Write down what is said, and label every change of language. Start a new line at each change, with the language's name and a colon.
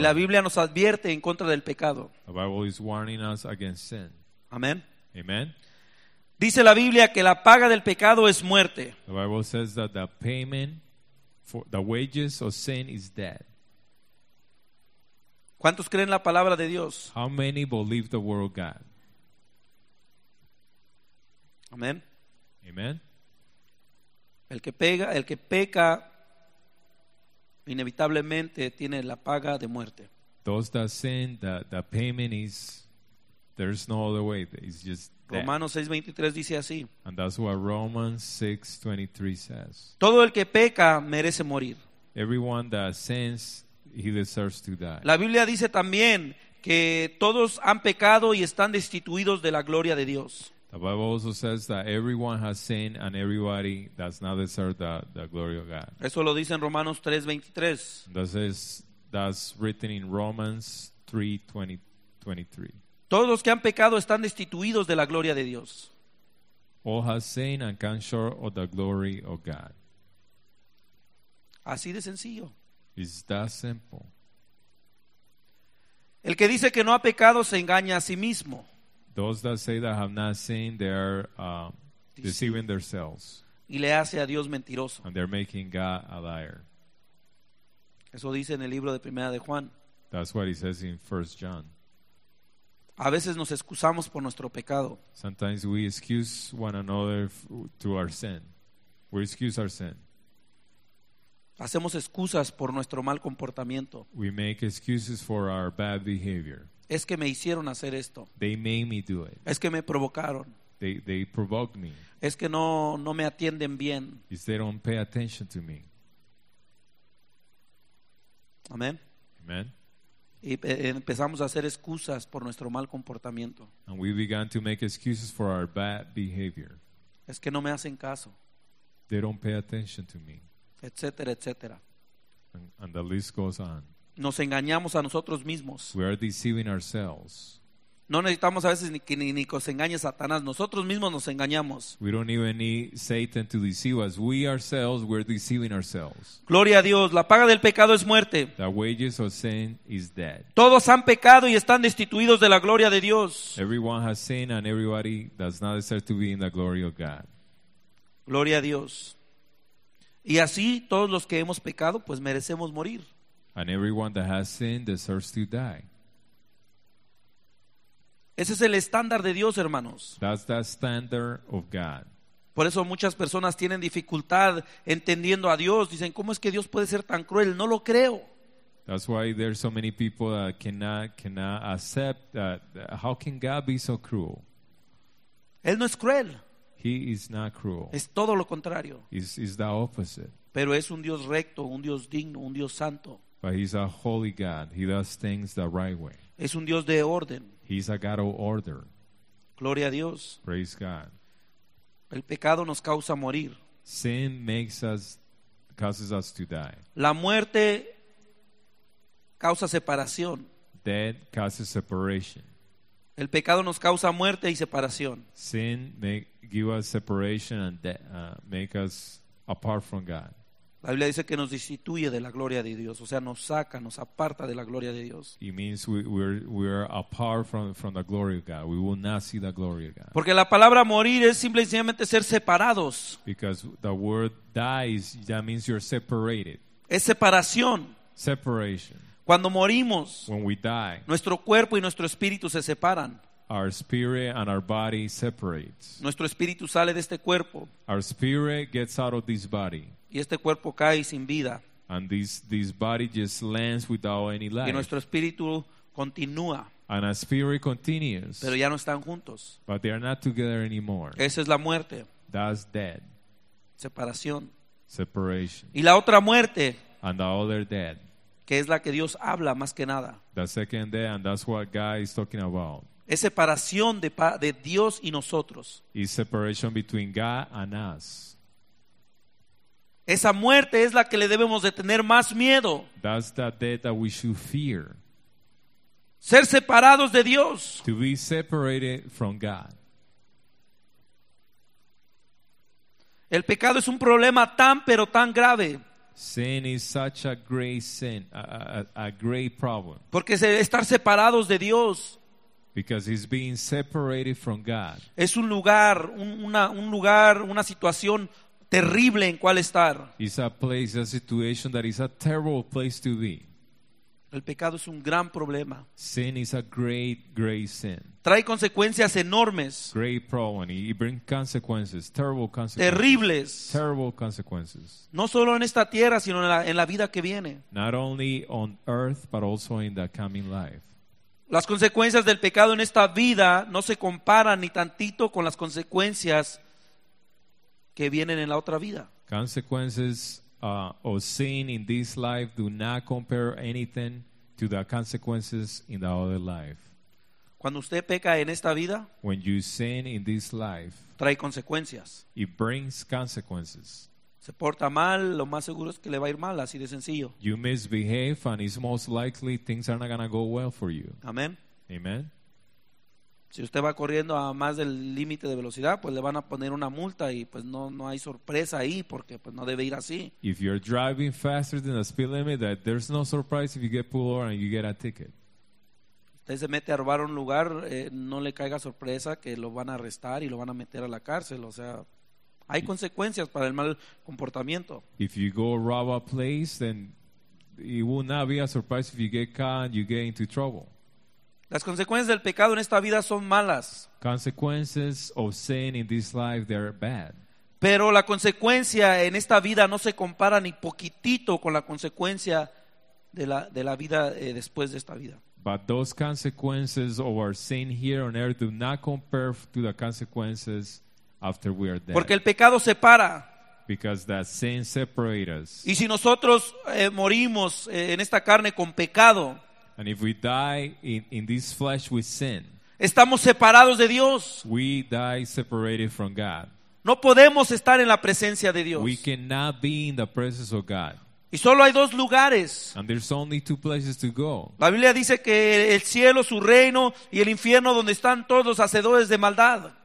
Spanish: Y la Biblia nos advierte en contra del pecado.
English: The Bible is warning us against sin.
Spanish: Amen.
English: Amen.
Spanish: Dice la Biblia que la paga del pecado es muerte.
English: The Bible says that the payment for the wages of sin is death.
Spanish: ¿Cuántos creen la palabra de Dios?
English: How many believe the word of God?
Spanish: Amen.
English: Amen.
Spanish: El que peca inevitablemente tiene la paga de muerte.
English: Those that sin, the payment is, there's no other way. It's just
Spanish: that. Romanos 6:23 dice así.
English: And that's what Romans 6:23 says.
Spanish: Todo el que peca merece morir.
English: Everyone that sins, he deserves to die.
Spanish: La Biblia dice también que todos han pecado y están destituidos de la gloria de Dios.
English: The Bible also says that everyone has sinned and everybody does not deserve the glory of God.
Spanish: Eso lo dice en Romanos 3:23.
English: That's written in Romans 3:23.
Spanish: Todos los que han pecado están destituidos de la gloria de Dios.
English: All has sinned and come short of the glory of God.
Spanish: Así de sencillo.
English: It's that simple.
Spanish: El que dice que no ha pecado se engaña a sí mismo.
English: Those that say that have not sinned, they are deceiving themselves.
Spanish: Y le hace a Dios mentiroso.
English: And they're making God a liar.
Spanish: Eso dice en el libro de Primera de Juan.
English: That's what he says in 1 John.
Spanish: A veces nos excusamos por nuestro pecado.
English: Sometimes we excuse one another to our sin. We excuse our sin.
Spanish: Hacemos excusas por nuestro mal comportamiento.
English: We make excuses for our bad behavior.
Spanish: Es que me hicieron hacer esto.
English: They made me do it.
Spanish: Es que me provocaron.
English: They provoked me.
Spanish: Es que no me atienden bien.
English: Is they don't pay attention to me.
Spanish: Amén.
English: Amen.
Spanish: Y empezamos a hacer excusas por nuestro mal comportamiento.
English: And we began to make excuses for our bad behavior.
Spanish: Es que no me hacen caso.
English: They don't pay attention to me.
Spanish: Etcétera, etcétera.
English: And the list goes on.
Spanish: Nos engañamos a nosotros mismos.
English: We are deceiving ourselves.
Spanish: No necesitamos a veces ni que nos engañe Satanás. Nosotros mismos nos engañamos.
English: We don't even need Satan to deceive us. We ourselves, we're deceiving ourselves.
Spanish: Gloria a Dios. La paga del pecado es muerte.
English: The wages of sin is death.
Spanish: Todos han pecado y están destituidos de la gloria de Dios.
English: Everyone has sinned and everybody does not deserve to be in the glory of God.
Spanish: Gloria a Dios. Y así, todos los que hemos pecado, pues merecemos morir.
English: And everyone that has sinned deserves to die.
Spanish: Ese es el estándar de Dios, hermanos.
English: That's the standard of God.
Spanish: Por eso muchas personas tienen dificultad entendiendo a Dios. Dicen, ¿cómo es que Dios puede ser tan cruel? No lo creo.
English: That's why there are so many people that cannot accept that. How can God be so cruel?
Spanish: Él no es cruel.
English: He is not cruel.
Spanish: Es todo lo contrario.
English: It's the opposite.
Spanish: Pero es un Dios recto, un Dios digno, un Dios santo.
English: But he's a holy God. He does things the right way.
Spanish: Es un Dios de orden.
English: He's a God of order.
Spanish: Gloria a Dios.
English: Praise God.
Spanish: El pecado nos causa morir.
English: Sin causes us to die.
Spanish: La muerte causa separación.
English: Death causes separation.
Spanish: El pecado nos causa muerte y separación.
English: Sin give us separation and make us apart from God.
Spanish: La Biblia dice que nos destituye de la gloria de Dios, o sea, nos saca, nos aparta de la gloria de Dios.
English: It means we're apart from the glory of God. We will not see the glory of God.
Spanish: Porque la palabra morir es simplemente ser separados.
English: Because the word dies, that means you're separated.
Spanish: Es separación.
English: Separation.
Spanish: Cuando morimos,
English: when we die,
Spanish: nuestro cuerpo y nuestro espíritu se separan.
English: Our spirit and our body separates.
Spanish: Nuestro espíritu sale de este cuerpo.
English: Our spirit gets out of this body.
Spanish: Y este cuerpo cae sin vida.
English: And this body just lands without any life.
Spanish: Y nuestro espíritu continúa.
English: And our spirit continues.
Spanish: Pero ya no están juntos.
English: But they are not together anymore.
Spanish: Esa es la muerte.
English: That's death.
Spanish: Separación.
English: Separation.
Spanish: Y la otra muerte.
English: And the other death.
Spanish: Que es la que Dios habla más que nada.
English: The second death, and that's what God is talking about.
Spanish: Es separación de Dios y nosotros.
English: It's separation between God and us.
Spanish: Esa muerte es la que le debemos de tener más miedo.
English: That's the death that we should fear.
Spanish: Ser separados de Dios.
English: To be separated from God.
Spanish: El pecado es un problema tan pero tan grave.
English: Sin is such a great sin, a great problem.
Spanish: Porque estar separados de Dios.
English: Because he's being separated from God.
Spanish: Es un lugar, una situación terrible en cual estar.
English: It's a place, a situation that is a terrible place to be.
Spanish: El pecado es un gran problema.
English: Sin is a great, great sin.
Spanish: Trae consecuencias enormes.
English: Great problem. It brings consequences. Terrible consequences.
Spanish: Terribles.
English: Terrible consequences.
Spanish: No solo en esta tierra, sino en la vida que viene.
English: Not only on earth, but also in the coming life.
Spanish: Las consecuencias del pecado en esta vida no se comparan ni tantito con las consecuencias que vienen en la otra vida.
English: Consequences or sin in this life do not compare anything to the consequences in the other life.
Spanish: Cuando usted peca en esta vida,
English: when you sin in this life,
Spanish: trae consecuencias.
English: It brings consequences.
Spanish: Se porta mal, lo más seguro es que le va a ir mal, así de sencillo.
English: You misbehave and it's most likely things are not going to go well for you.
Spanish: Amen.
English: Amen.
Spanish: Si usted va corriendo a más del límite de velocidad, pues le van a poner una multa y pues no hay sorpresa ahí porque pues no debe ir así.
English: If you're driving faster than the speed limit, that there's no surprise if you get pulled over and you get a ticket.
Spanish: Usted se mete a robar un lugar, no le caiga sorpresa que lo van a arrestar y lo van a meter a la cárcel, o sea, hay consecuencias para el mal comportamiento.
English: If you go rob a place, then it will not be a surprise if you get caught and you get into trouble.
Spanish: Las consecuencias del pecado en esta vida son malas.
English: Consequences of sin in this life, they're bad.
Spanish: Pero la consecuencia en esta vida no se compara ni poquitito con la consecuencia de la vida después de esta vida.
English: But those consequences of our sin here on earth do not compare to the consequences after we are dead.
Spanish: Porque el pecado separa.
English: Because that sin separates us.
Spanish: Y si nosotros morimos en esta carne con pecado,
English: and if we die in this flesh with sin,
Spanish: estamos separados de Dios.
English: We die separated from God.
Spanish: No podemos estar en la presencia de Dios.
English: We cannot be in the presence of God.
Spanish: Y solo hay dos lugares.
English: And there's only two places to go.
Spanish: La Biblia dice que el cielo, su reino, y el infierno donde están todos los hacedores de maldad.